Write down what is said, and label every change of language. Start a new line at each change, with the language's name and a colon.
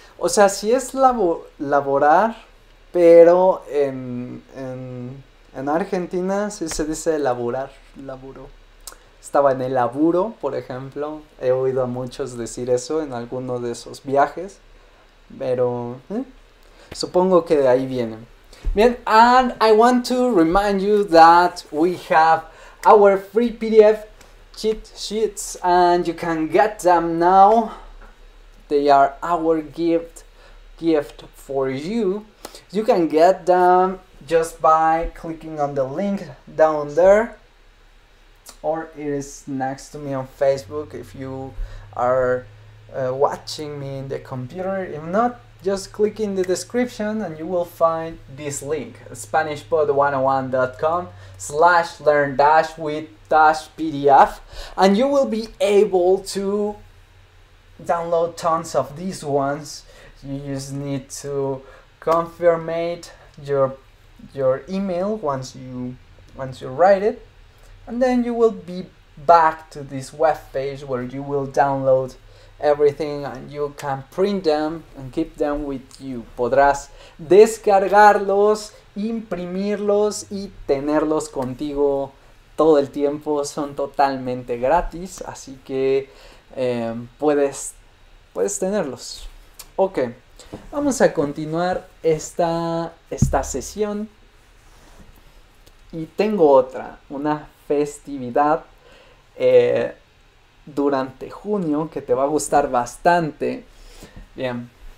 Spanish: O sea, sí es laborar, pero en Argentina sí se dice laborar, laburo. Estaba en el laburo, por ejemplo. He oído a muchos decir eso en alguno de esos viajes. Pero supongo que de ahí viene.
English: Bien, and I want to remind you that we have our free PDF cheat sheets and you can get them now. They are our gift for you. You can get them just by clicking on the link down there, or it is next to me on Facebook if you are watching me in the computer. If not, just click in the description and you will find this link, SpanishPod101.com/learn-with-PDF, and you will be able to download tons of these ones. You just need to confirm your email once you write it, and then you will be back to this web page where you will download everything and you can print them and keep them with you.
Spanish: Podrás descargarlos, imprimirlos y tenerlos contigo todo el tiempo. Son totalmente gratis, así que puedes tenerlos. Ok, vamos a continuar esta sesión y tengo otra, una festividad durante junio que te va a gustar bastante. Bien.